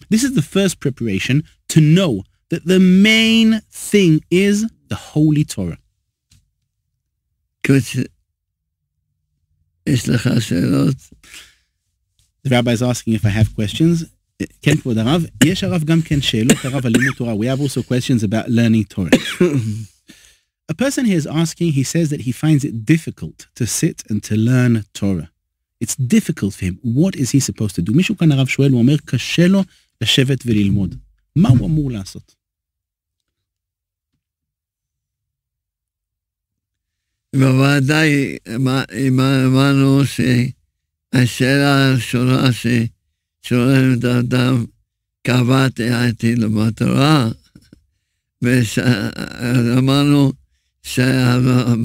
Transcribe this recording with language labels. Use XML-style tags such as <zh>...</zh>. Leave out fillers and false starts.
<en>This is the first preparation to know that the main thing is the Holy Torah.</en> <he>יש לך שאלות?</he> <en>The rabbi is asking if I have questions.</en> <he>כן, כבוד הרב. יש הרב גם כן שאלות הרב על לימוד תורה.</he> <en>We have also questions about learning Torah. A person here is asking, he says that he finds it difficult to sit and to learn Torah. It's difficult for him. What is he supposed to do?</en> <he>מישהו כאן הרב שואל, הוא אומר, קשה לו לשבת וללמוד. מה הוא אמור לעשות? בוודאי, אמרנו שהשאלה הראשונה ששואלים את האדם, קבעתי הייתי ללמוד תורה, ואמרנו, שהעבודה</he>